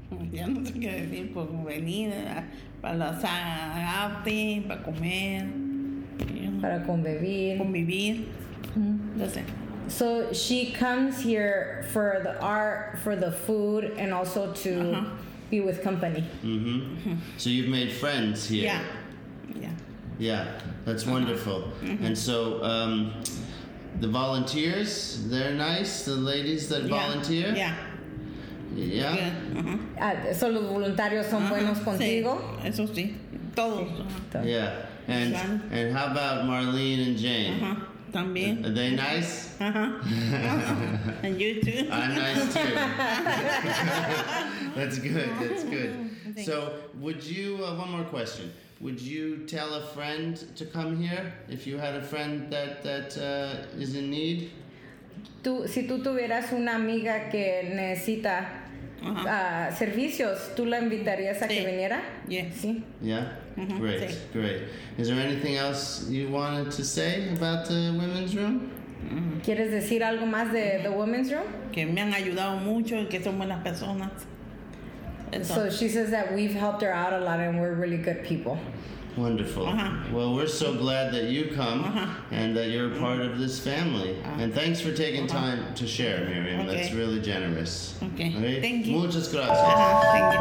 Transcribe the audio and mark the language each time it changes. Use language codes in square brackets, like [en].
[es] Ya no sé qué decir, por venir, para lanzar arte, para comer. Para convivir. Convivir. [en] So she comes here for the art, for the food, and also to be with company. Mm-hmm. So you've made friends here. Yeah. Yeah, that's wonderful. Mm-hmm. And so the volunteers, they're nice, the ladies that volunteer. Yeah. Yeah. Yeah. Uh-huh. So [es] los voluntarios son buenos contigo. Sí. Eso sí. Todos. Sí. [en] Yeah. And how about Marlene and Jane? [es] Uh-huh. También. [en] Are they nice? Uh-huh. And you too? I'm nice too. That's good. Thanks. So would you, one more question. Would you tell a friend to come here if you had a friend that is in need? [es] Tú, si tú tuvieras una amiga que necesita servicios, ¿tú la invitarías a que viniera? [en] Yes. [es] Sí. [en] Yeah? Mm-hmm. Great, great. Is there anything else you wanted to say about the women's room? [es] ¿Quieres decir algo más de the women's room? Que me han ayudado mucho y que son buenas personas. [en] So she says that we've helped her out a lot and we're really good people. Wonderful. Uh-huh. Well, we're so glad that you come and that you're a part of this family. Uh-huh. And thanks for taking time to share, Miriam. Okay. That's really generous. Okay. Right? Thank you. [es] Muchas gracias. [en] Thank you.